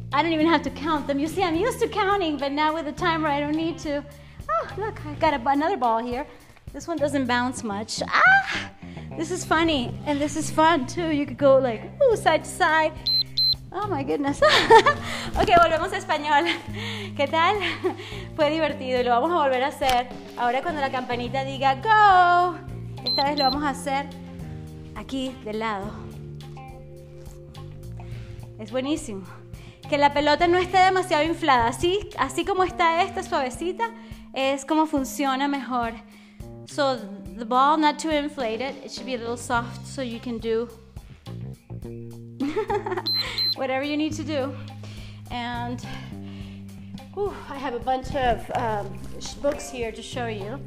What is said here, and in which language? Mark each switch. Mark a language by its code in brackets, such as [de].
[en] I don't even have to count them. You see, I'm used to counting, but now with the timer, I don't need to. Oh, look, I've got another ball here. This one doesn't bounce much. Ah, this is funny, and this is fun too. You could go like, ooh, side to side. Oh my goodness. [es] Okay, volvemos a español. ¿Qué tal? Fue divertido y lo vamos a volver a hacer. Ahora cuando la campanita diga go, esta vez lo vamos a hacer aquí del lado. Es buenísimo. Que la pelota no esté demasiado inflada. Así, así como está esta suavecita, es como funciona mejor. [en] So the ball not too inflated. It should be a little soft so you can do whatever you need to do. And I have a bunch of books here to show you.